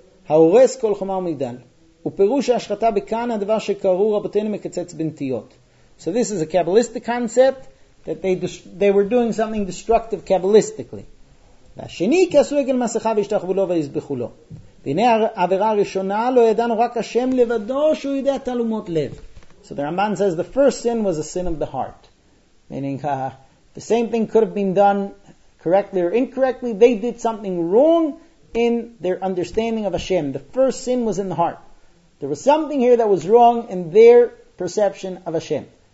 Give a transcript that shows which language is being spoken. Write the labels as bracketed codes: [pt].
[he] ההורס כל חומר מגדל, ופירוש ההשחטה בכאן הדבר שקראו רבותינו מקצץ בנטיות. [en] So this is a Kabbalistic concept, that they were doing something destructive Kabbalistically. [he] והשני, כי עשו עגל מסכה וישתחוו לו ויזבחו לו. והנה עבירה הראשונה, לא ידענו רק השם לבדו, שהוא יודע תלומות לב. [en] So the Ramban says, the first sin was a sin of the heart. Meaning, the same thing could have been done correctly or incorrectly, they did something wrong, in their understanding of Hashem. The first sin was in the heart. There was something here that was wrong in their perception of Hashem.